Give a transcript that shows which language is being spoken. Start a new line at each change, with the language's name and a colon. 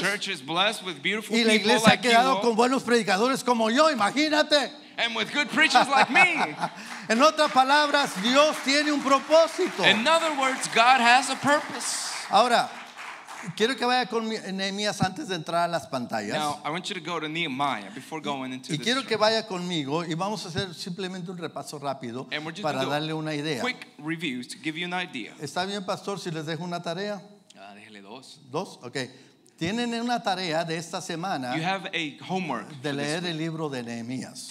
English: The church is blessed with beautiful
Spanish: y la iglesia
English: people
Spanish: ha quedado
English: like
Spanish: con buenos predicadores como yo, imagínate.
English: and with good preachers like me.
Spanish: En otras palabras, Dios tiene un propósito.
English: In other words, God has a purpose.
Spanish: Ahora, quiero que vaya con Nehemías antes de entrar a las pantallas.
English: Now, I want you to go to Nehemiah before going into this.
Spanish: Y quiero que vaya conmigo y vamos a hacer simplemente un repaso rápido para darle una idea.
English: Quick review to give you an idea.
Spanish: ¿Está bien, pastor, si les dejo una tarea? Déjele dos. ¿Dos? Okay. Tienen una tarea de esta semana.
English: You have a homework.
Spanish: De leer el libro de Nehemías.